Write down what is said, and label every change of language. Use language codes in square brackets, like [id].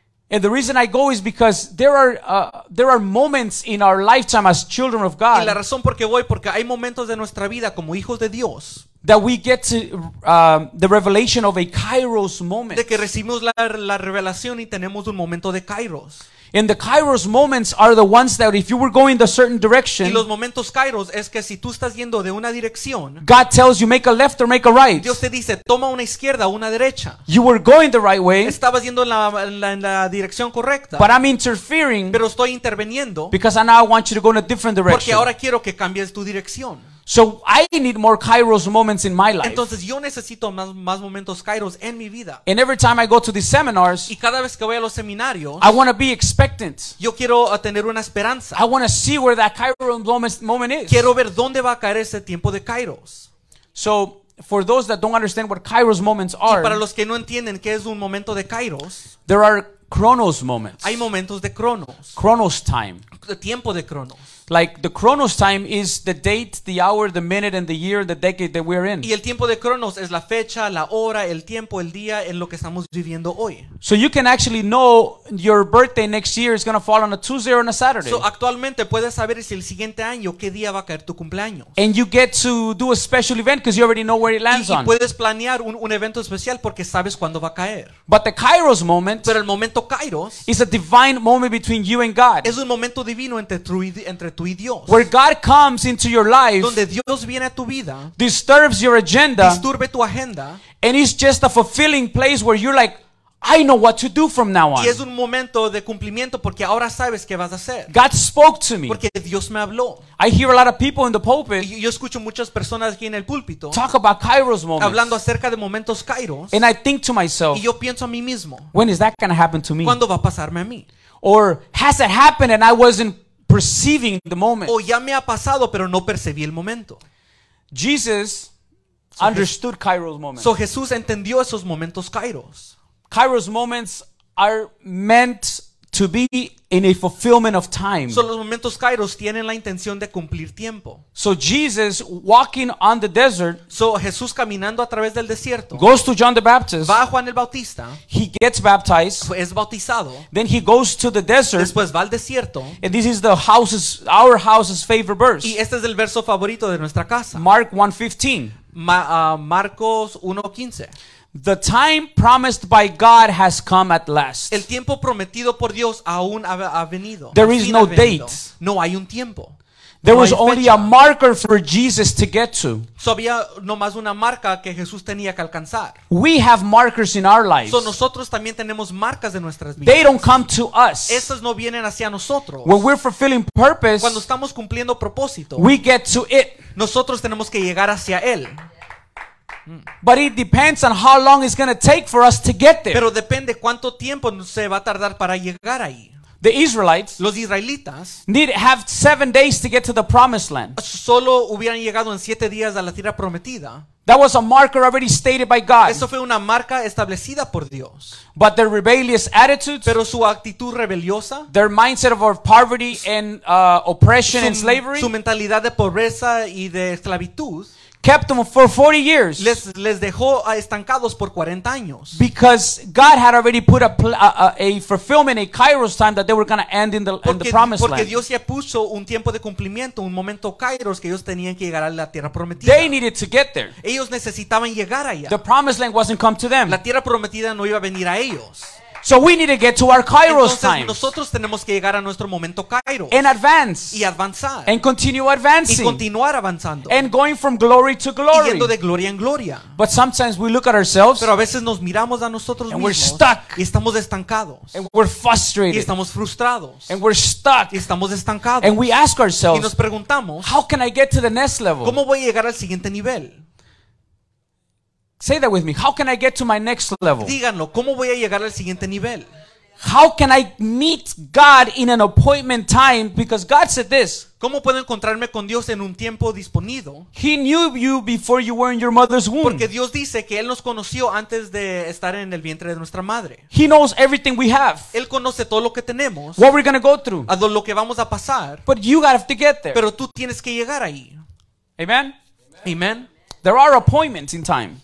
[en] And the reason I go is because there are moments in our lifetime as children of God. [es] Y la razón por qué voy porque hay momentos de nuestra vida como hijos de Dios. [en] That we get to the revelation of a Kairos moment. [es] De que recibimos la revelación y tenemos un momento de Kairos. [en] And the Kairos moments are the ones that if you were going the certain direction. [es] Y los momentos Kairos es que si tú estás yendo de una dirección. [en] God tells you make a left or make a right. [es] Dios te dice toma una izquierda o una derecha. [en] You were going the right way. [es] Estabas yendo en la dirección correcta. [en] But I'm interfering. [es] Pero estoy interviniendo. [en] Because I now want you to go in a different direction. [es] Porque ahora quiero que cambies tu dirección. [en] So I need more Kairos moments in my life. [es] Entonces yo necesito más momentos Kairos en mi vida. [en] And every time I go to these seminars, [es] y cada vez que voy a los seminarios, [en] I want to be expectant. [es] Yo quiero tener una esperanza. [en] I want to see where that Kairos moment is. [es] Quiero ver dónde va a caer ese tiempo de Kairos. [en] So for those that don't understand what Kairos moments are, [es] y para los que no entienden qué es un momento de Kairos, [en] there are Chronos moments. [es] Hay momentos de Chronos. [en] Chronos time. [es] Tiempo de Chronos. [en] Like the Chronos time is the date, the hour, the minute, and the year, the decade that we're in. [es] Y el tiempo de Chronos es la fecha, la hora, el tiempo, el día en lo que estamos viviendo hoy. [en] So you can actually know your birthday next year is going to fall on a Tuesday or on a Saturday. [es] So actualmente puedes saber si el siguiente año qué día va a caer tu cumpleaños. [en] And you get to do a special event because you already know where it lands on. [es] Y puedes planear un evento especial porque sabes cuándo va a caer. [en] But the Kairos moment. [es] Pero el momento Kairos [en] is a divine moment between you and God. [es] Es un momento divino entre tú y Dios. [en] Where God comes into your life, [es] donde Dios viene a tu vida, [en] disturbs your agenda, [es] disturbe tu agenda, [en] and it's just a fulfilling place where you're like, I know what to do from now on. [es] Y es un momento de cumplimiento porque ahora sabes qué vas a hacer. [en] God spoke to me. [es] Porque Dios me habló. [en] I hear a lot of people in the pulpit. [es] Yo escucho muchas personas aquí en el púlpito. [en] Talk about Kairos moments. [es] Hablando acerca de momentos Kairos. [en] And I think to myself. [es] Y yo pienso a mí mismo. [en] When is that going to happen to me? [es] ¿Cuándo va a pasarme a mí? [en] Or has it happened and I wasn't perceiving the moment? [es] O ya me ha pasado pero no percibí el momento. [en] Jesus understood Kairos moments. [es] So Jesús entendió esos momentos Kairos. [en] Kairos moments are meant to be in a fulfillment of time. [es] So los momentos Kairos tienen la intención de cumplir tiempo. [en] So Jesus walking on the desert. [es] So Jesús caminando a través del desierto. [en] Goes to John the Baptist. [es] Va a Juan el Bautista. [en] He gets baptized. [es] Es bautizado. [en] Then he goes to the desert. [es] Después va al desierto. [en] And this is the house's, our house's favorite verse. [es] Y este es el verso favorito de nuestra casa. [en] Mark 1:15. [es] Marcos 1:15. [en] The time promised by God has come at last. [es] El tiempo prometido por Dios aún ha venido. [en] There is no date. [es] No hay un tiempo. [en] There was only a marker for Jesus to get to. [es] So había nomás una marca que Jesús tenía que alcanzar. [en] We have markers in our lives. [es] So nosotros también tenemos marcas de nuestras vidas. [en] They don't come to us. [es] Esas no vienen hacia nosotros. [en] When we're fulfilling purpose, [es] cuando estamos cumpliendo propósito, [en] we get to it. [es] Nosotros tenemos que llegar hacia él. [en] But it depends on how long it's going to take for us to get there. [es] Pero depende cuánto tiempo se va a tardar para llegar ahí. [en] The Israelites, [es] los israelitas, [en] need have 7 days to get to the promised land. [es] Solo hubieran llegado en 7 días a la tierra prometida. [en] That was a marker already stated by God. [es] Eso fue una marca establecida por Dios. [en] But their rebellious attitudes, [es] pero su actitud rebeliosa, [en] their mindset of poverty and oppression and slavery, [es] su mentalidad de pobreza y de esclavitud, [en] kept them for 40 years. [es] Les dejó estancados por 40 años. [en] Because God had already put a fulfillment, a Kairos time that they were going to end in the promised land. [es] Porque Dios ya puso un tiempo de cumplimiento, un momento Kairos que ellos tenían que llegar a la tierra prometida. [en] They needed to get there. [es] Ellos necesitaban llegar allá. [en] The promised land wasn't come to them. [es] La tierra prometida no iba a venir a ellos. [en] So we need to get to our Kairos time. [es] Entonces Nosotros tenemos que llegar a nuestro momento Kairos. [en] And advance. [es] Y avanzar. [en] And continue advancing. [es] Y continuar avanzando. [en] And going from glory to glory. [es] Y yendo de gloria en gloria. [en] But sometimes we look at ourselves. [es] Pero a veces nos miramos a nosotros [en] and [es] mismos. [en] And we're stuck. [es] Y estamos estancados. [en] And we're frustrated. [es] Y estamos frustrados. [en] And we're stuck. [es] Y estamos estancados. [en] And we ask ourselves. [es] Y nos preguntamos. [en] How can I get to the next level? [es] ¿Cómo voy a llegar al siguiente nivel? [en] Say that with me. How can I get to my next level? [es] Díganlo, ¿cómo voy a llegar al siguiente nivel? [en] How can I meet God in an appointment time? Because God said this. [es] ¿Cómo puedo encontrarme con Dios en un tiempo disponido? [en] He knew you before you were in your mother's womb. [es] Porque Dios dice que Él nos conoció antes de estar en el vientre de nuestra madre. [en] He knows everything we have. [es] Él conoce todo lo que tenemos. [en] What we're gonna go through. [es] A lo que vamos a pasar. [en] But you gotta have to get there. [es] Pero tú tienes que llegar ahí. Amen. Amen. [en] There are appointments in time.